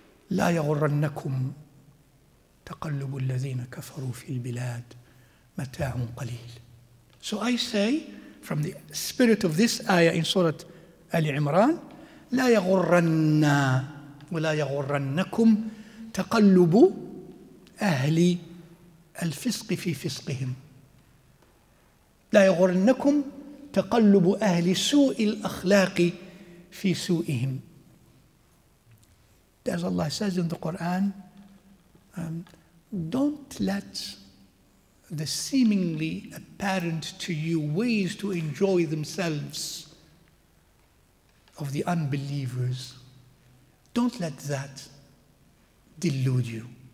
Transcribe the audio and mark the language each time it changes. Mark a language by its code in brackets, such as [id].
[ar] لا يغرنكم تقلب الذين كفروا في البلاد متاع قليل. [en] So I say, from the spirit of this ayah in Surah Ali Imran, [ar] لا يغرنا ولا يغرنكم تقلب أهل الفسق في فسقهم. لا يغرنكم تقلب أهل سوء الأخلاق في سوءهم. [en] As Allah says in the Quran, don't let the seemingly apparent to you ways to enjoy themselves of the unbelievers, don't let that delude you.